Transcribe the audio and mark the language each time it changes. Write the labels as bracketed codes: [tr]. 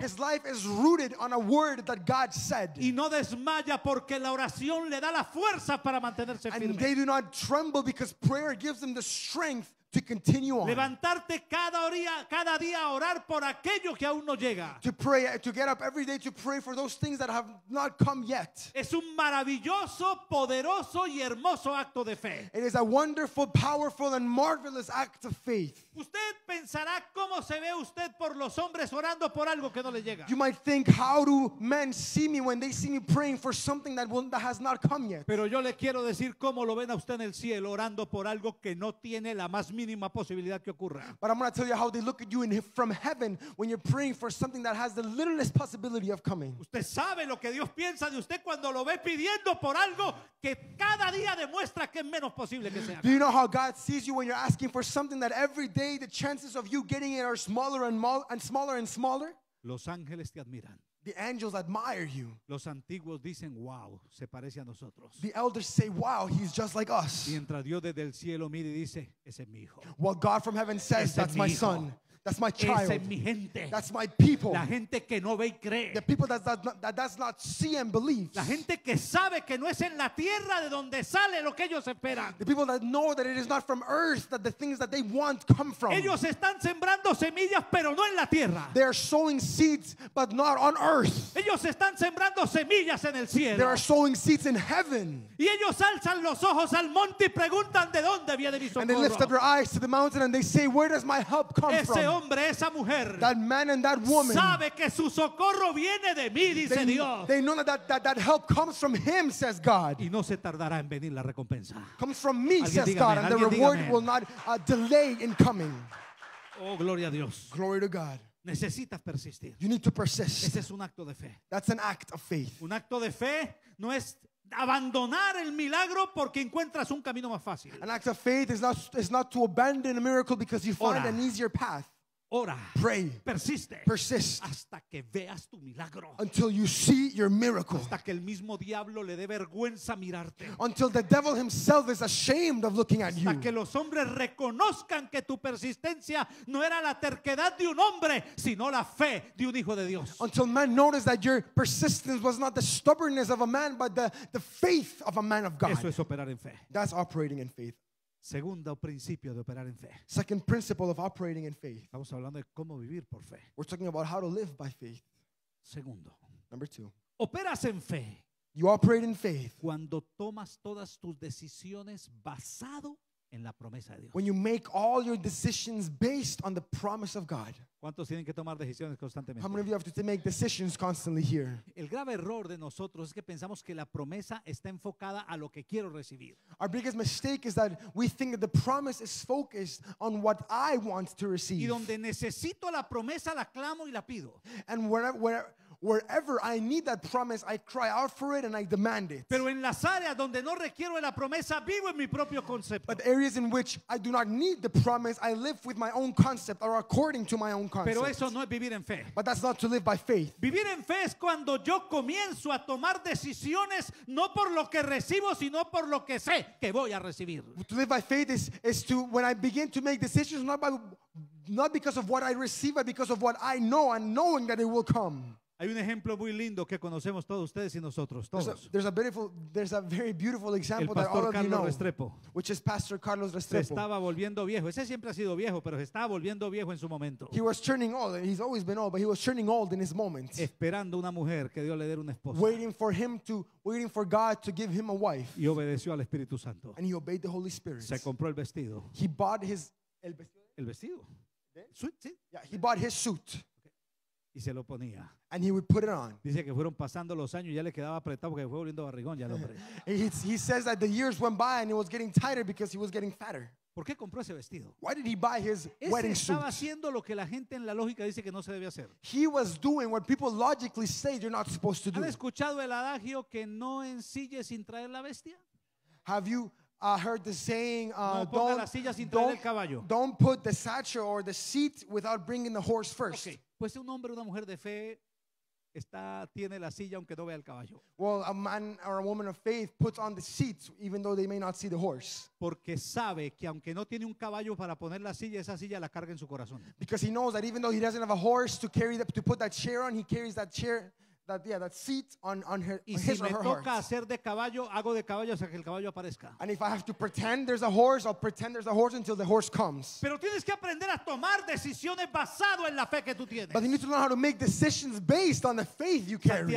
[en] His life is rooted on a word that God said. [es] Y no desmaya porque la oración le da la fuerza para mantenerse firme. [en] And they do not tremble because prayer gives them the strength to continue on. [es] Levantarte cada día a orar por aquello que aún no llega. [en] To pray, to get up every day to pray for those things that have not come yet. [es] Es un maravilloso, poderoso y hermoso acto de fe. [en] It is a wonderful, powerful and marvelous act of faith. [es] Usted pensará cómo se ve usted por los hombres orando por algo que no le llega. [en] You might think how do men see me when they see me praying for something that has not come yet. [es] Pero yo le quiero decir cómo lo ven a usted en el cielo orando por algo que no tiene la más mínima posibilidad que ocurra. [en] But I'm going to tell you how they look at you from heaven when you're praying for something that has the littlest possibility of coming. [es] Usted sabe lo que Dios piensa de usted cuando lo ve pidiendo por algo que cada día demuestra que es menos posible que sea. [en] Do you know how God sees you when you're asking for something that every day the chances of you getting it are smaller and smaller and smaller? [es] Los ángeles te admiran. [en] The angels admire you. [es] Los antiguos dicen, wow, se parece a nosotros. [en] The elders say, wow, he's just like us. [es] Mientras Dios desde el cielo mire y dice, ese es mi hijo. [en] What God from heaven says, [es] ese [en] that's my son. That's my child. [es] Ese es mi gente. [en] That's my people. [es] La gente que no ve y cree. [en] The people that does not see and believe. [es] La gente que sabe que no es en la tierra de donde sale lo que ellos esperan. [en] The people that know that it is not from earth that the things that they want come from. [es] Ellos están sembrando semillas, pero no en la tierra. [en] They are sowing seeds, but not on earth. [es] Ellos están sembrando semillas en el cielo. [en] They are sowing seeds in heaven. [es] Y ellos alzan los ojos al monte y preguntan de dónde viene mi socorro. [en] And they lift up their eyes to the mountain and they say, where does my help come [es] ese [en] from? [es] Hombre, esa mujer, [en] that man and that woman, [es] sabe que su socorro viene de mí, dice [en] they, [es] Dios. [en] They know that help comes from him, says God. [es] Y no se tardará en venir la recompensa. [en] Comes from me, [es] alguien [en] says [es] dígame, [en] God, and the reward [es] dígame [en] will not delay in coming. [es] Oh, gloria a Dios. [en] Glory to God. [es] Necesitas persistir. [en] You need to persist. [es] Ese es un acto de fe. [en] That's an act of faith. [es] Un acto de fe no es abandonar el milagro porque encuentras un camino más fácil. [en] An act of faith is not to abandon a miracle because you find an easier path. [es] Ora, [en] pray, [es] persiste, [en] persist, [es] hasta que veas tu milagro, [en] until you see your miracle, [es] hasta que el mismo diablo le dé vergüenza mirarte, [en] until the devil himself is ashamed of looking at you, [es] hasta que los hombres reconozcan que tu persistencia no era la terquedad de un hombre, sino la fe de un hijo de Dios, [en] until men notice that your persistence was not the stubbornness of a man, but the faith of a man of God. [es] Eso es operar en fe. [en] That's operating in faith. [es] Segundo principio de operar en fe. [en] Second principle of operating in faith. [es] Estamos hablando de cómo vivir por fe. [en] We're talking about how to live by faith. [es] Segundo. [en] Number two. [es] Operas en fe. [en] You operate in faith. [es] Cuando tomas todas tus decisiones basado en la promesa de Dios. [en] When you make all your decisions based on the promise of God. [es] ¿Cuántos tienen que tomar decisiones constantemente? [en] How many of you have to make decisions constantly here? [es] El grave error de nosotros es que pensamos que la promesa está enfocada a lo que quiero recibir. [en] Our biggest mistake is that we think that the promise is focused on what I want to receive. [es] Y donde necesito la promesa la clamo y la pido. [en] And Wherever I need that promise, I cry out for it and I demand it. [es] Pero en las áreas donde no requiero la promesa, vivo en mi propio concepto. [en] But areas in which I do not need the promise, I live with my own concept or according to my own concept. [es] Pero eso no es vivir en fe. [en] But that's not to live by faith. [es] Vivir en fe es cuando yo comienzo a tomar decisiones no por lo que recibo, sino por lo que sé que voy a recibir. [en] To live by faith is to when I begin to make decisions not because of what I receive, but because of what I know and knowing that it will come. [es] Hay un ejemplo muy lindo que conocemos todos ustedes y nosotros todos. [en] There's a very beautiful example that all of [es] Carlos [en] you know, [es] Restrepo. [en] Which is Pastor Carlos Restrepo. [es] Se estaba volviendo viejo. Ese siempre ha sido viejo, pero se estaba volviendo viejo en su momento. [en] He was turning old. He's always been old, but he was turning old in his moment. [es] Esperando una mujer que Dios le diera una esposa. [en] Waiting for God to give him a wife. [es] Y obedeció al Espíritu Santo. [en] And he obeyed the Holy Spirit. [es] Se compró el vestido. [en] He bought his [es] el vestido. Suit, sí. [en] Yeah, he bought his suit. [es] Y se lo ponía. [en] And he would put it on. [es] Dice que fueron pasando los años y ya le quedaba apretado porque fue volviendo barrigón ya el hombre. [en] He says that the years went by and it was getting tighter because he was getting fatter. [es] ¿Por qué compró ese vestido? [en] Why did he buy his wedding suit? [es] Estaba haciendo lo que la gente en la lógica dice que no se debe hacer. [en] He was doing what people logically say you're not supposed to do. [es] ¿Han escuchado el adagio que no ensille sin traer la bestia? [en] Have you heard the saying don't put the satchel or the seat without bringing the horse first? Okay. [es] Pues un hombre o una mujer de fe tiene la silla aunque no vea el caballo. [en] Well, a man or a woman of faith puts on the seat even though they may not see the horse. [es] Porque sabe que aunque no tiene un caballo para poner la silla, esa silla la carga en su corazón. [en] Because he knows that even though he doesn't have a horse to carry to put that chair on, he carries that chair, that seat on her, [es] y [en] his [es] si [en] or her [es] me [en] heart. [es] Toca hacer de caballo, hago de caballo hasta que el caballo aparezca. [en] And if I have to pretend there's a horse, I'll pretend there's a horse until the horse comes. [es] Pero tienes que aprender a tomar decisiones basado en la fe que tú tienes. [en] But you need to learn how to make decisions based on the faith you carry.